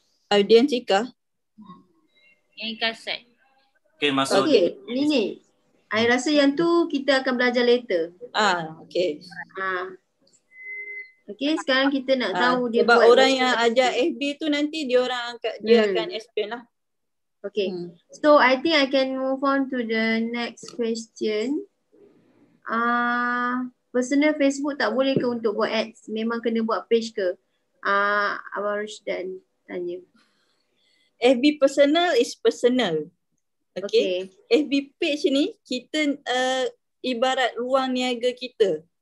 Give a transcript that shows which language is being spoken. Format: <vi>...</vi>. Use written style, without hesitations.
<ms>Audiens Ika? Yang Ika set. Okay, masuk. Okay, Nini. I rasa yang tu kita akan belajar later. Okay. Okay, sekarang kita nak tahu dia sebab buat. Sebab orang yang ajar FB tu nanti dia orang angkat, dia akan explain lah.</ms> <en>Okay, so I think I can move on to the next question.</en> <ms>Personal Facebook tak boleh ke untuk buat ads? Memang kena buat page ke? Abang Rushdan tanya.</ms> <en>FB personal is personal. Okay.</en> <ms>FB page ni kita ibarat ruang niaga kita.</ms>